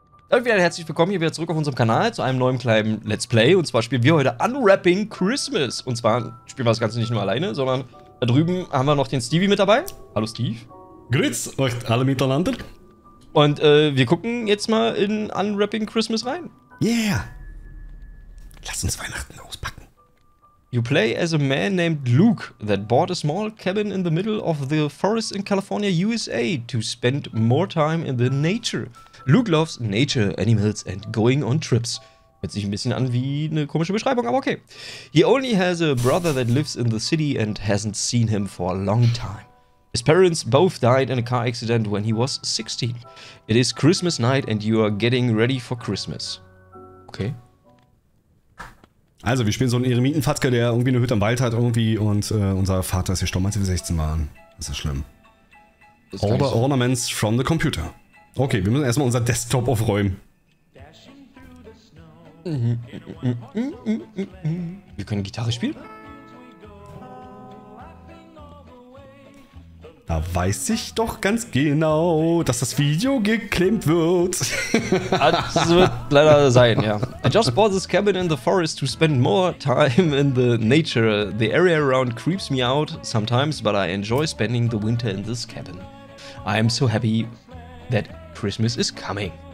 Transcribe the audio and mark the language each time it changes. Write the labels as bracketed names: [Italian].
[German] Und wieder herzlich willkommen hier wieder zurück auf unserem Kanal zu einem neuen kleinen Let's Play. Und zwar spielen wir heute Unwrapping Christmas. Und zwar spielen wir das Ganze nicht nur alleine, sondern da drüben haben wir noch den Stevie mit dabei. Hallo Steve. Grüß euch alle miteinander. Und wir gucken jetzt mal in Unwrapping Christmas rein. Yeah. Lass uns Weihnachten auspacken. [English] You play as a man named Luke that bought a small cabin in the middle of the forest in California, USA to spend more time in the nature. Luke loves nature, animals and going on trips. [German] Hört sich ein bisschen an wie eine komische Beschreibung, aber okay. [English] He only has a brother that lives in the city and hasn't seen him for a long time. His parents both died in a car accident when he was 16. It is Christmas night and you are getting ready for Christmas. Okay. [German] Also, wir spielen so einen Eremitenfatzke, der irgendwie eine Hütte im Wald hat irgendwie und unser Vater ist gestorben, als wir 16 waren. Das ist ja schlimm. [English] All the ornaments from the computer. [German] Okay, wir müssen erstmal unser Desktop aufräumen. Wir können Gitarre spielen? Da weiß ich doch ganz genau, dass das Video geklemmt wird. Das wird leider sein, ja. [English] I just bought this cabin in the forest to spend more time in the nature. The area around creeps me out sometimes, but I enjoy spending the winter in this cabin. I am so happy that Christmas is coming.